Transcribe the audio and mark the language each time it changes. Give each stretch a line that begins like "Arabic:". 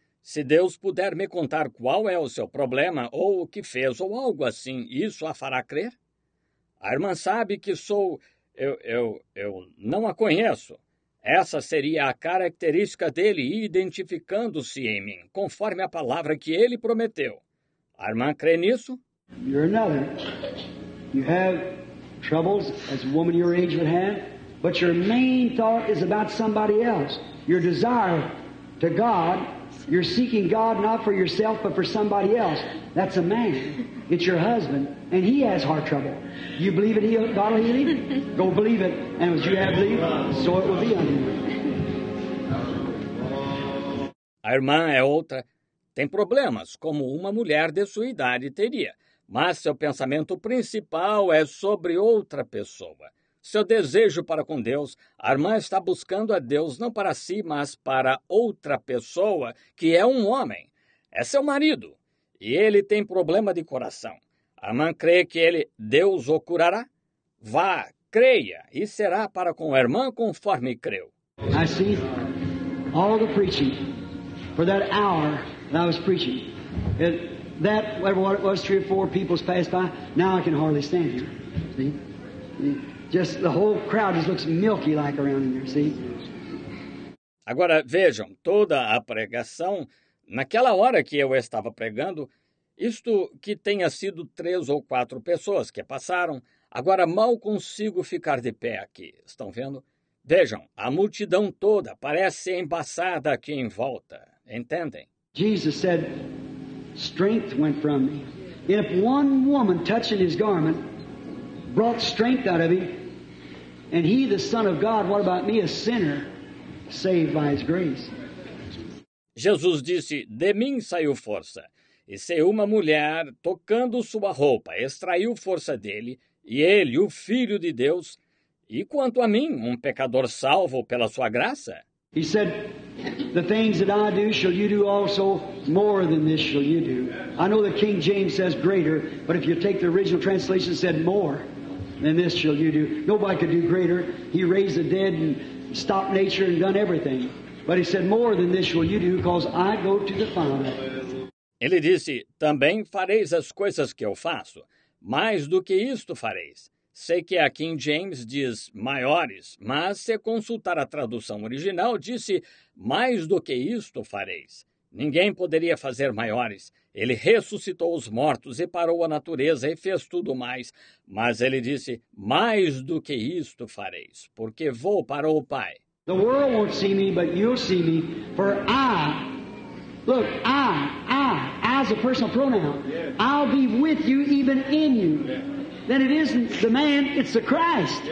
Portuguese: Se Deus puder me contar qual é o seu problema, ou o que fez, ou algo assim, isso a fará crer? A irmã sabe que sou... Eu não a conheço. Essa seria a característica dele identificando-se em mim, conforme a palavra que ele prometeu. A irmã crê nisso?
English: You're another. You have troubles, as a woman your age would have, but your main thought is about somebody else. Your desire to God, you're seeking God not for yourself, but for somebody else. That's a man. It's your husband, and he has heart trouble. You believe it, God will heal him? Go believe it, and as you have believed, so it will be on you.
Portuguese: A irmã é outra. Tem problemas, como uma mulher de sua idade teria. Mas seu pensamento principal é sobre outra pessoa. Seu desejo para com Deus, a irmã está buscando a Deus não para si, mas para outra pessoa, que é um homem. É seu marido. E ele tem problema de coração. A irmã crê que ele, Deus o curará? Vá, creia, e será para com a irmã conforme creu.
English: I see all the preaching for that hour that I was preaching. It, that, whatever it was, three or four people passed by, now I can hardly stand here. See? Just the whole crowd just looks milky like around here, see?
Portuguese: Agora vejam, toda a pregação, naquela hora que eu estava pregando, isto que tenha sido três ou quatro pessoas que passaram, agora mal consigo ficar de pé aqui, estão vendo? Vejam, a multidão toda parece embaçada aqui em volta, entendem?
English: Jesus said, strength went from me. If one woman touching his garment brought strength out of him, and he the Son of God, what about me, a sinner, saved by his grace?
Portuguese: Jesus disse, de mim saiu força. E se uma mulher, tocando sua roupa, extraiu força dele, e ele, o Filho de Deus, e quanto a mim, um pecador salvo pela sua graça?
English: He said, the things that I do, shall you do also, more than this shall you do. I know the King James says greater, but if you take the original translation, it said more than this shall you do. Nobody could do greater. He raised the dead and stopped nature and done everything. But he said, more than this shall you do, because I go to the Father.
Portuguese: Ele disse, também fareis as coisas que eu faço. Mais do que isto fareis. Sei que a King James diz maiores, mas se consultar a tradução original, disse, mais do que isto fareis. Ninguém poderia fazer maiores. Ele ressuscitou os mortos e parou a natureza e fez tudo mais. Mas ele disse, mais do que isto fareis, porque vou para o Pai.
English: The world won't see me, but you'll see me, for I... Look, I, as a personal pronoun, I'll be with you, even in you. Then it isn't the man, it's the Christ.